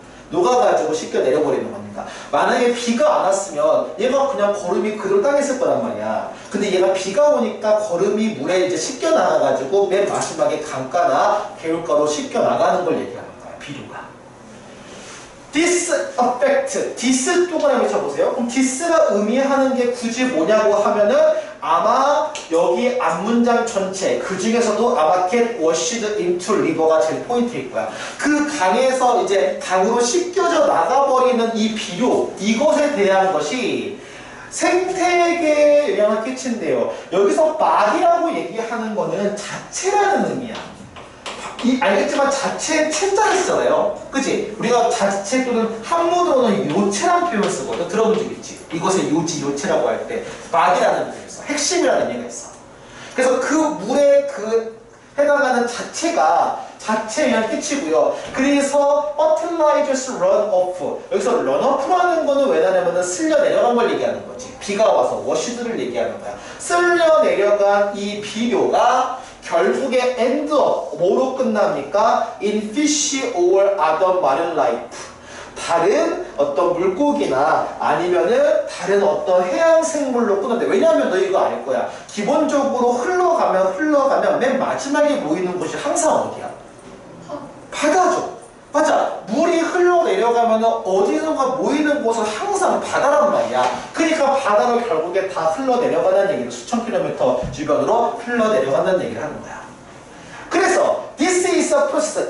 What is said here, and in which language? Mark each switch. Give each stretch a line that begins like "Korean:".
Korean: 녹아가지고 씻겨 내려버리는 거니까. 만약에 비가 안 왔으면 얘가 그냥 걸음이 그대로 땅에 있을 거란 말이야. 근데 얘가 비가 오니까 걸음이 물에 이제 씻겨 나가가지고 맨 마지막에 강가나 개울가로 씻겨 나가는 걸 얘기하는 거야. 비료가.
English: This effect, this
Korean: 동그라미 쳐보세요. 그럼 this가 의미하는 게 굳이 뭐냐고 하면은 아마 여기 앞문장 전체, 그 중에서도 아마 get washed into river가 제일 포인트일 거야. 그 강에서 이제 강으로 씻겨져 나가버리는 이 비료, 이것에 대한 것이 생태계에 영향을 끼친대요. 여기서 body라고 얘기하는 거는 자체라는 의미야. 이, 알겠지만 자체 체자를 써요. 그치? 우리가 자체 또는 한문으로는 요체라는 표현을 쓰거든. 들어본 적 있지? 이것의 요지, 요체라고 할 때 바디라는 의미가 있어. 핵심이라는 의미가 있어. 그래서 그 물에 그 해당하는 자체가 자체에 의한 끼치고요.
English: 그래서 fertilizers run off.
Korean: 여기서 run off라는 거는 왜냐면 쓸려 내려간 걸 얘기하는 거지. 비가 와서 워시드를 얘기하는 거야. 쓸려 내려간 이 비료가 결국에
English: end up
Korean: 뭐로 끝납니까?
English: In fish or other marine life.
Korean: 다른 어떤 물고기나 아니면은 다른 어떤 해양 생물로 끝난대. 왜냐하면 너 이거 알 거야. 기본적으로 흘러가면 맨 마지막에 모이는 곳이 항상 어디야? 바다죠. 맞아. 물이 흘러 내려가면은 어디선가 모이는 곳은 항상 바다란 말이야. 그러니까 바다로 결국에 다 흘러 내려가는 얘기를 수천 킬로미터 주변으로 흘러 내려가는 얘기를 하는 거야. 그래서
English: this is a process.